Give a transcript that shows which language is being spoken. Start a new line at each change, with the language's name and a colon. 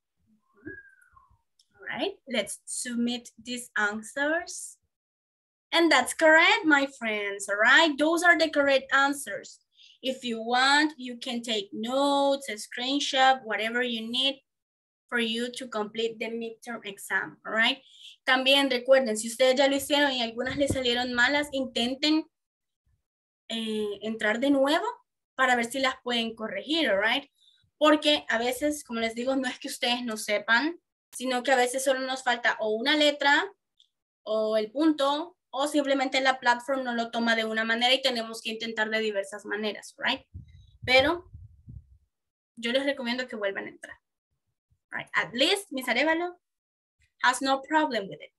English: Mm-hmm. All right, let's submit these answers. And that's correct, my friends, all right? Those are the correct answers. If you want, you can take notes, a screenshot, whatever you need for you to complete the midterm exam, all right?
Spanish: También recuerden, si ustedes ya lo hicieron y algunas les salieron malas, intenten entrar de nuevo para ver si las pueden corregir,
English: all right?
Spanish: Porque a veces, como les digo, no es que ustedes no sepan, sino que a veces solo nos falta o una letra o el punto, o simplemente la platform no lo toma de una manera y tenemos que intentar de diversas maneras,
English: right?
Spanish: Pero yo les recomiendo que vuelvan a entrar.
English: Right? At least, Miss Arevalo has no problem with it.